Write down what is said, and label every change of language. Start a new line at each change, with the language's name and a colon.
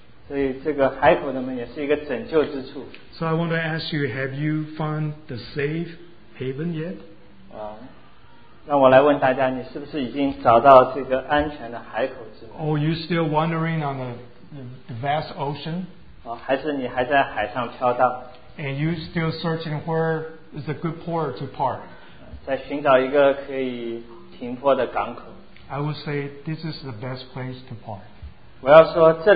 English: So I want to ask you, have you found the safe haven yet?
Chinese: 让我来问大家,
English: or you still wandering on the vast ocean?
Chinese: 还是你还在海上飘荡?
English: And you still searching where is a good port to park?
Chinese: 在寻找一个可以停泊的港口?
English: I would say this is the best place to park.